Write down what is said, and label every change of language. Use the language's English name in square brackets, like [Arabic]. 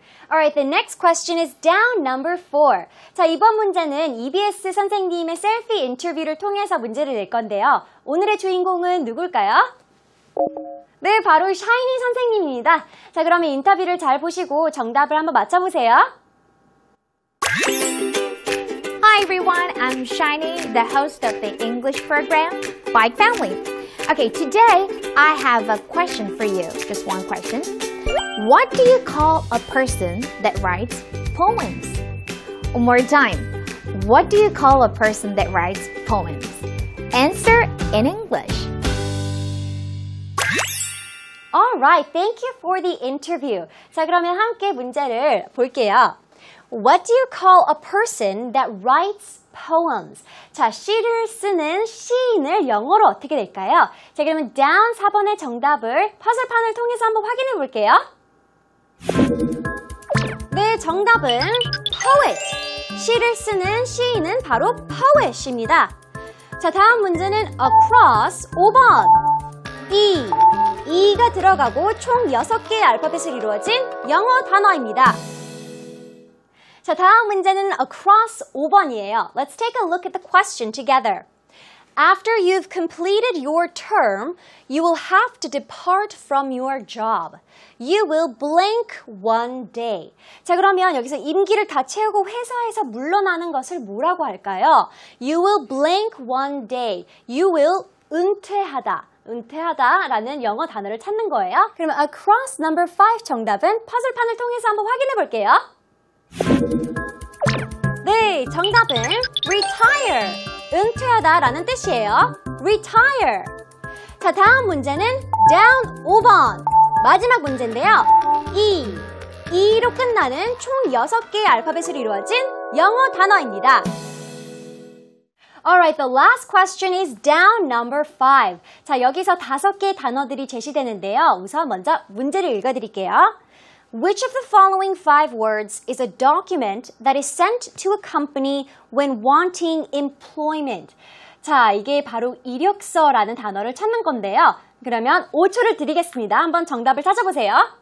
[English] Alright, the next question is down number 4. [Korean] 자, 이번 문제는 EBS 선생님의 셀피 인터뷰를 통해서 문제를 낼 건데요. 오늘의 주인공은 누굴까요? 네, 바로 샤이니 선생님입니다. 자, 그러면 인터뷰를 잘 보시고 정답을 한번 맞춰보세요. [English] Hi everyone, I'm Shiny, the host of the English program, Bike Family. Okay, today I have a question for you, just one question. What do you call a person that writes poems? One more time. What do you call a person that writes poems? Answer in English. All right, thank you for the interview. [Korean] 자, 그러면 함께 문제를 볼게요. [English] What do you call a person that writes poems? [Korean] 자, 시를 쓰는 시인을 영어로 어떻게 될까요? 자, 그러면 down 4번의 정답을 퍼즐판을 통해서 한번 확인해 볼게요. 네, 정답은 poet. 시를 쓰는 시인은 바로 poet입니다. 자, 다음 문제는 across 5번. E. E가 들어가고 총 6개의 알파벳을 이루어진 영어 단어입니다. 자, 다음 문제는 across 5번이에요. [English] Let's take a look at the question together. After you've completed your term, you will have to depart from your job. You will blank one day. [Korean] 자, 그러면 여기서 임기를 다 채우고 회사에서 물러나는 것을 뭐라고 할까요? [English] You will blank one day. You will 은퇴하다. [Korean] 은퇴하다라는 영어 단어를 찾는 거예요. 그러면 across number 5 정답은 퍼즐판을 통해서 한번 확인해 볼게요. 네, 정답은 retire. 은퇴하다 라는 뜻이에요. retire. 자, 다음 문제는 down 5번. 마지막 문제인데요. E. E로 끝나는 총 6개의 알파벳으로 이루어진 영어 단어입니다. [English] Alright, the last question is down number 5. [Korean] 자, 여기서 5개의 단어들이 제시되는데요. 우선 먼저 문제를 읽어드릴게요. [English] Which of the following 5 words is a document that is sent to a company when wanting employment? [Korean] 자, 이게 바로 이력서라는 단어를 찾는 건데요. 그러면 5초를 드리겠습니다. 한번 정답을 찾아보세요.